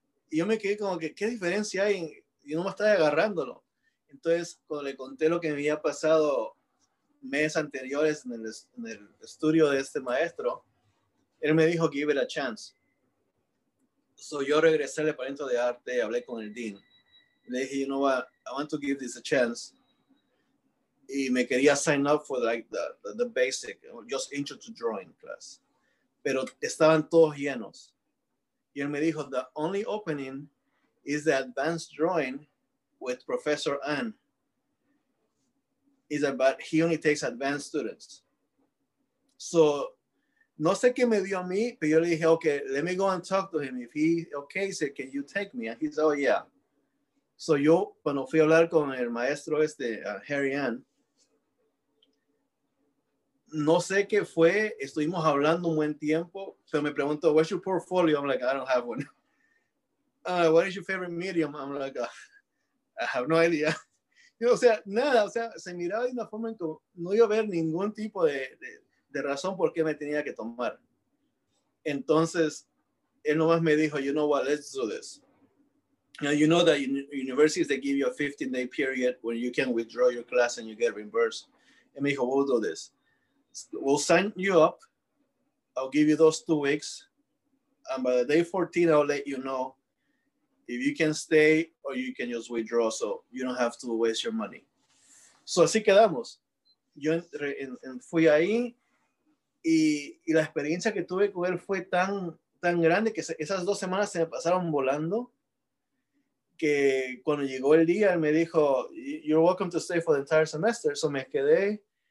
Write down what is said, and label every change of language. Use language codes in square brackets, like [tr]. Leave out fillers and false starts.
[es] Y yo me quedé como que, ¿qué diferencia hay? Yo no me estaba agarrándolo. Entonces, cuando le conté lo que me había pasado meses anteriores en el estudio de este maestro, él me dijo, [en] give it a chance. [es] So yo regresé al departamento de arte, hablé con el dean. Le dije, [en] you know what, I want to give this a chance. [es] Y me quería [en] sign up for like the basic, just intro to drawing class. [es] Pero estaban todos llenos. Y él me dijo, [en] the only opening is the advanced drawing with Professor Ann. Is about, he only takes advanced students. So, [es] no sé qué me dio a mí, pero yo le dije, [en] okay, let me go and talk to him. If he, okay, he said, can you take me? And he said, oh yeah. [es] So yo, cuando fui a hablar con el maestro Harry Ann, no sé qué fue, estuvimos hablando un buen tiempo, pero me preguntó, [en] what's your portfolio? I'm like, I don't have one. What is your favorite medium? I'm like, I have no idea. [es] Yo, o sea, nada, o sea, se miraba de una forma en que no iba a haber ningún tipo de razón por qué me tenía que tomar. Entonces, él nomás me dijo, [en] you know what, let's do this. Now, you know that universities, they give you a 15-day period where you can withdraw your class and you get reimbursed. [es] Y me dijo, [en] we'll do this. We'll sign you up. I'll give you those 2 weeks. And by the day 14, I'll let you know if you can stay or you can just withdraw, so you don't have to waste your money. [es] So así quedamos. Yo fui ahí, y la experiencia que tuve con él fue tan, tan grande que esas 2 semanas se me pasaron volando, que cuando llegó el día, él me dijo, [en] you're welcome to stay for the entire semester. [es] So me quedé.